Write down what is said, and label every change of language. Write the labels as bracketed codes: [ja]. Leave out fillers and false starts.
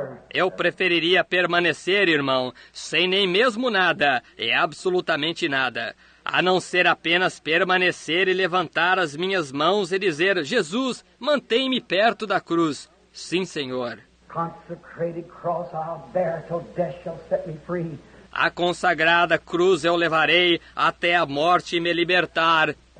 [pt] Eu preferiria permanecer, irmão, sem nem mesmo nada, e absolutamente nada, a não ser apenas permanecer e levantar as minhas mãos e dizer, Jesus, mantém-me perto da cruz. Sim, Senhor. [en] Consecrated cross I'll bear till death shall set me free. [pt] A consagrada cruz eu levarei até a morte me libertar.